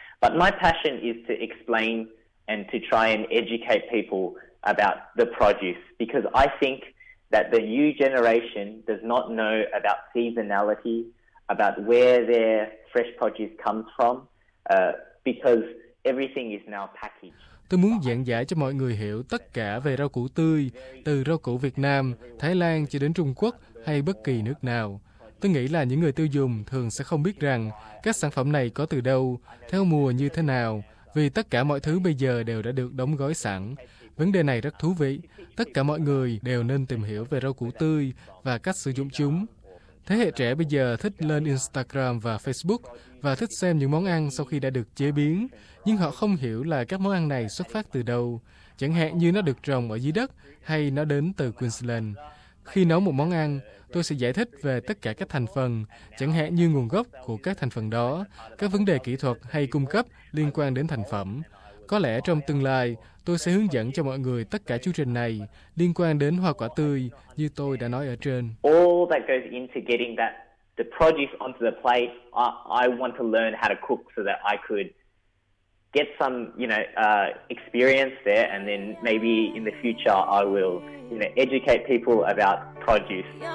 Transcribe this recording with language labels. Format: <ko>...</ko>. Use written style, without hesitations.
<en>But my passion is to explain and to try and educate people about the produce, because I think that the new generation does not know about seasonality, about where their fresh produce comes from, because everything is now packaged.</en> <vi>Tôi muốn giảng giải cho mọi người hiểu tất cả về rau củ tươi, từ rau củ Việt Nam, Thái Lan cho đến Trung Quốc hay bất kỳ nước nào. Tôi nghĩ là những người tiêu dùng thường sẽ không biết rằng các sản phẩm này có từ đâu, theo mùa như thế nào, vì tất cả mọi thứ bây giờ đều đã được đóng gói sẵn. Vấn đề này rất thú vị. Tất cả mọi người đều nên tìm hiểu về rau củ tươi và cách sử dụng chúng. Thế hệ trẻ bây giờ thích lên Instagram và Facebook và thích xem những món ăn sau khi đã được chế biến, nhưng họ không hiểu là các món ăn này xuất phát từ đâu, chẳng hạn như nó được trồng ở dưới đất hay nó đến từ Queensland. Khi nấu một món ăn, tôi sẽ giải thích về tất cả các thành phần, chẳng hạn như nguồn gốc của các thành phần đó, các vấn đề kỹ thuật hay cung cấp liên quan đến thành phẩm. Có lẽ trong tương lai, tôi sẽ hướng dẫn cho mọi người tất cả chương trình này liên quan đến hoa quả tươi như tôi đã nói ở trên.</vi> <en>All that goes into getting that the produce onto the plate, I want to learn how to cook so that I could get some, you know, experience there, and then maybe in the future I will, you know, educate people about produce.</en>